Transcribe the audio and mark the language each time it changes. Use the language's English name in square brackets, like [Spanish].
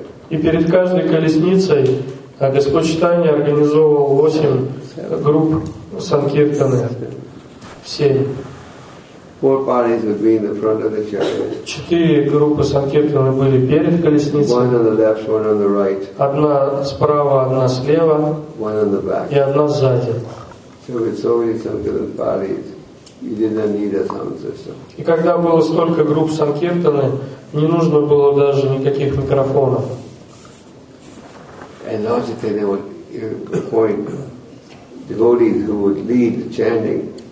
[Russian] И перед каждой колесницей Господь Чайтанья организовывал 8 групп санкиртаны. 4 группы санкиртаны были перед колесницей. [English] One on the left, one on the right. [Russian] Одна справа, одна слева. [English] One on the back. [Russian] И одна сзади. [English] So with so many sankirtan parties, you didn't need a sound system. [Russian] И когда было столько групп санкиртаны, не нужно было даже никаких микрофонов. [English] And Lord Chaitanya would appoint devotees who would lead the chanting.